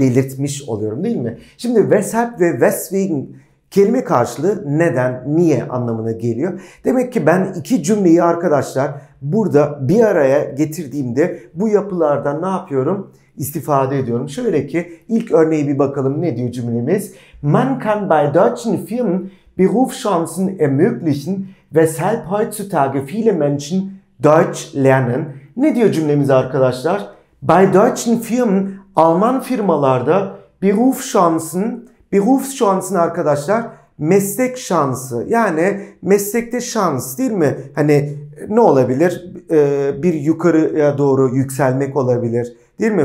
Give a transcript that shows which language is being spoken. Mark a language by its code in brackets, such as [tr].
[tr] Belirtmiş oluyorum değil mi? Şimdi Weshalb ve Weswegen kelime karşılığı neden, niye anlamına geliyor. Demek ki ben iki cümleyi arkadaşlar burada bir araya getirdiğimde bu yapılardan ne yapıyorum? İstifade ediyorum. Şöyle ki ilk örneği bir bakalım, ne diyor cümlemiz? [de] Man kann bei deutschen Firmen Berufschancen ermöglichen, weshalb heutzutage viele Menschen Deutsch lernen. [tr] Ne diyor cümlemiz arkadaşlar? [de] Bei deutschen Firmen, [tr] Alman firmalarda Berufschancen, Berufschancen arkadaşlar meslek şansı, yani meslekte şans değil mi? Hani ne olabilir? Bir yukarıya doğru yükselmek olabilir değil mi?